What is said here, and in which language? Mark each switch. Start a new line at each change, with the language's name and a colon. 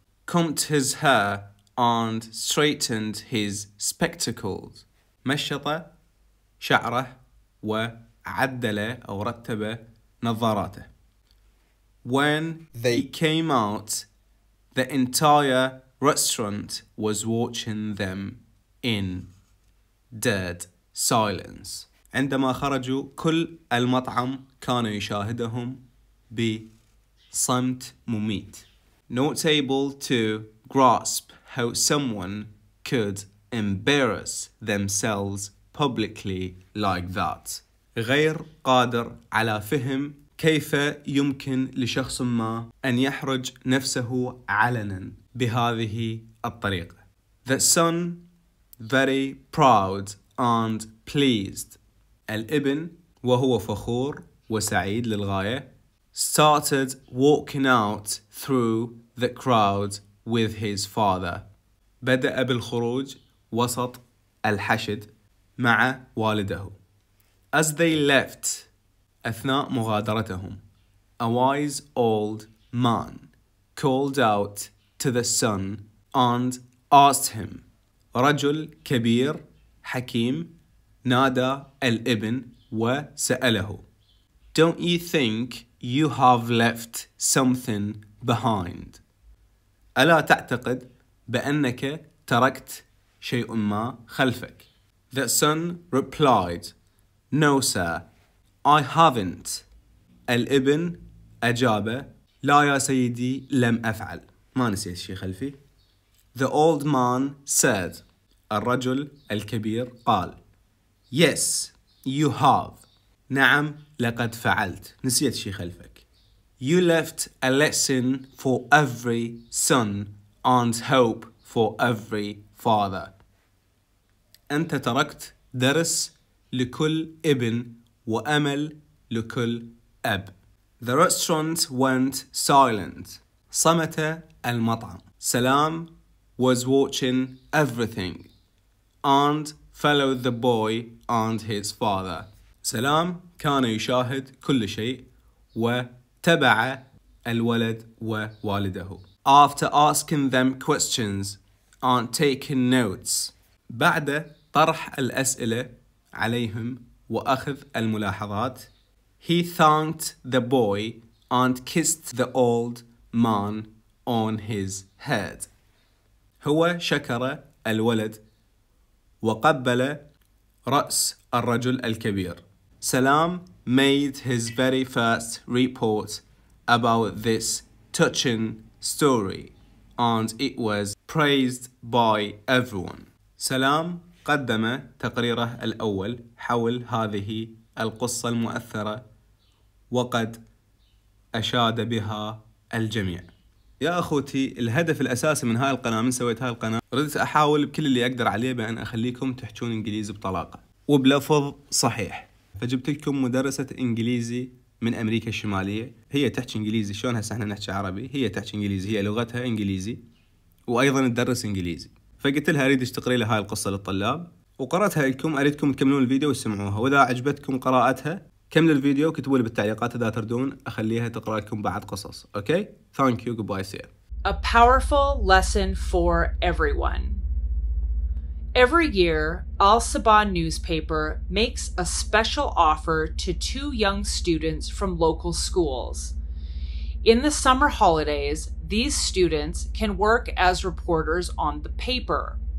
English: Combed his hair and straightened his spectacles.
Arabic: مشط شعره وعدل أو رتب نظاراته.
English: When they came out, the entire restaurant was watching them in dead silence.
Arabic: عندما خرجوا كل المطعم كان يشاهدهم بصمت مميت.
English: Not able to grasp how someone could embarrass themselves publicly like that.
Arabic: غير قادر على فهم كيف يمكن لشخص ما أن يحرج نفسه علنا بهذه الطريقة.
English: The son very proud and pleased.
Arabic: الابن وهو فخور وسعيد للغاية
English: started walking out through the crowd with his father.
Arabic: بدأ بالخروج وسط الحشد مع والده.
English: As they left,
Arabic: أثناء مغادرتهم,
English: a wise old man called out to the son and asked him.
Arabic: رجل كبير حكيم نادى الابن وسأله.
English: Don't you think you have left something behind?
Arabic: ألا تعتقد بأنك تركت شيء ما خلفك؟
English: The son replied, No, sir, I haven't.
Arabic: الابن أجاب, لا يا سيدي لم أفعل. ما نسيت شيء خلفي.
English: The old man said,
Arabic: الرجل الكبير قال,
English: Yes, you have.
Arabic: نعم لقد فعلت. نسيت شيء خلفك.
English: You left a lesson for every son and hope for every father.
Arabic: أنت تركت درس لكل ابن وأمل لكل أب.
English: The restaurant went silent.
Arabic: صمت المطعم.
English: Salam was watching everything and followed the boy and his father.
Arabic: سلام كان يشاهد كل شيء وتبع الولد ووالده.
English: After asking them questions and taking notes.
Arabic: بعد طرح الأسئلة عليهم وأخذ الملاحظات.
English: He thanked the boy and kissed the old man on his head.
Arabic: هو شكر الولد وقبل رأس الرجل الكبير.
English: Salam made his very first report about this touching story and it was praised by everyone.
Arabic: سلام قدم تقريره الأول حول هذه القصة المؤثرة وقد أشاد بها الجميع. يا أخوتي، الهدف الأساسي من هاي القناة، من سويت هاي القناة، ردت أحاول بكل اللي أقدر عليه بأن أخليكم تحجون إنجليزي بطلاقة وبلفظ صحيح. فجبت لكم مدرسة إنجليزي من أمريكا الشمالية، هي تحكي إنجليزي شلون هسه احنا نحكي عربي، هي تحكي إنجليزي، هي لغتها إنجليزي وأيضا تدرس إنجليزي. فقلت لها أريد اشتقري لها هاي القصة للطلاب وقرأتها لكم، أريدكم تكملون الفيديو وتسمعوها، وإذا عجبتكم قراءتها كملوا الفيديو وكتبوا لي بالتعليقات، إذا تردون أخليها تقرأ لكم بعض قصص.
English: Okay, thank you, goodbye, see you. A powerful lesson for everyone. Every year, Al-Saban newspaper makes a special offer to two young students from local schools. In the summer holidays, these students can work as reporters on the paper.